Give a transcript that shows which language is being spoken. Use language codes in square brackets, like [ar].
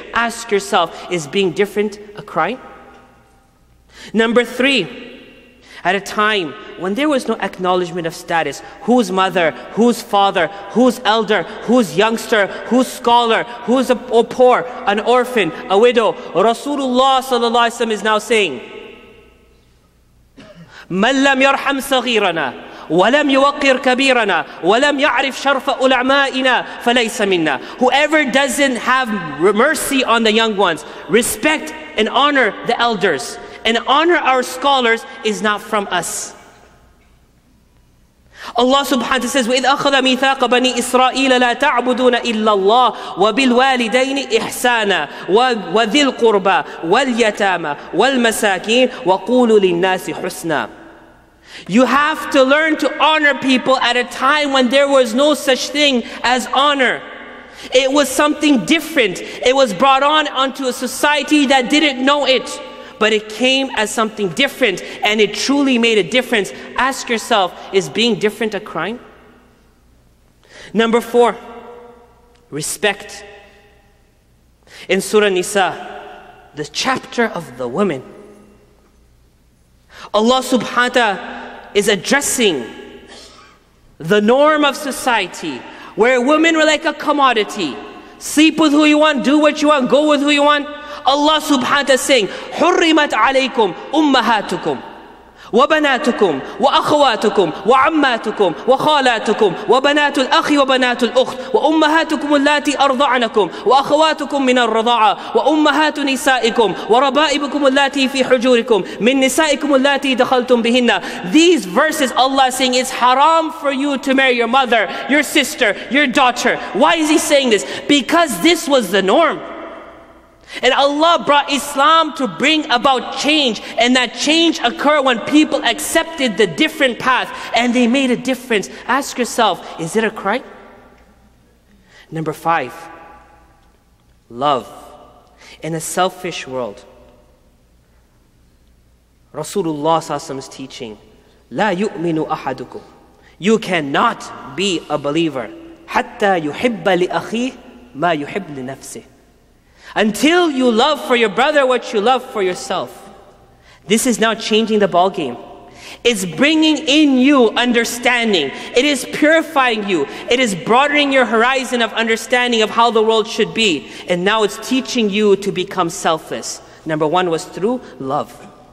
[en] Ask yourself, is being different a crime? Number three, at a time when there was no acknowledgement of status, whose mother, whose father, whose elder, whose youngster, whose scholar, who's a poor, an orphan, a widow, Rasulullah sallallahu alaihi wasallam is now saying, [ar] مَنْ لَمْ يَرْحَمْ صَغِيرَنَا وَلَمْ يُوَقِّرْ كَبِيرَنَا وَلَمْ يَعْرِفْ شَرْفَ أُلَعْمَائِنَا فَلَيْسَ مِنَّا. [en] Whoever doesn't have mercy on the young ones, respect and honor the elders, and honor our scholars, is not from us. Allah subhanahu wa ta'ala says, [ar] وَإِذْ أَخَذَ مِيثَاقَ بَنِي إِسْرَائِيلَ لَا تَعْبُدُونَ إِلَّا اللَّهِ وَبِالْوَالِدَيْنِ إِحْسَانًا وَذِي الْقُرْبَى وَالْيَتَامَى وَالْمَسَاكِينَ وَقُولُوا لِلنَّاسِ حُسْنًا. [en] You have to learn to honor people at a time when there was no such thing as honor. It was something different. It was brought on onto a society that didn't know it. But it came as something different, and it truly made a difference. Ask yourself, is being different a crime? Number four, respect. In Surah Nisa, the chapter of the woman, Allah subhanahu wa ta'ala is addressing the norm of society where women were like a commodity. Sleep with who you want, do what you want, go with who you want. Allah subhanahu wa ta'ala is saying, [ar] حُرِّمَتْ عَلَيْكُمْ أُمَّهَاتُكُمْ وَبَنَاتُكُمْ وَأَخَوَاتُكُمْ وَعَمَّاتُكُمْ وَخَالَاتُكُمْ وَبَنَاتُ الْأَخِ وَبَنَاتُ الْأُخْتِ وَأُمَّهَاتُكُمُ اللَّاتِي أَرْضَعْنَكُمْ وَأَخَوَاتُكُمْ مِنَ الرَّضَاعَةِ وَأُمَّهَاتُ نِسَائِكُمْ وَرَبَائِبُكُمُ اللَّاتِي فِي حُجُورِكُمْ مِنْ نِسَائِكُمُ اللَّاتِي دَخَلْتُمْ بِهِنَّ. [en] These verses, Allah saying, it's haram for you to marry your mother, your sister, your daughter. Why is He saying this? Because this was the norm. And Allah brought Islam to bring about change, and that change occurred when people accepted the different path and they made a difference. Ask yourself, is it a crime? Number five, love. In a selfish world, Rasulullah is teaching, [ar] لا يؤمن أحدكم. [en] You cannot be a believer [ar] حتى يحب لأخيه ما يحب لنفسه. [en] Until you love for your brother what you love for yourself. This is now changing the ball game. It's bringing in you understanding. It is purifying you. It is broadening your horizon of understanding of how the world should be. And now it's teaching you to become selfless. Number one was through love.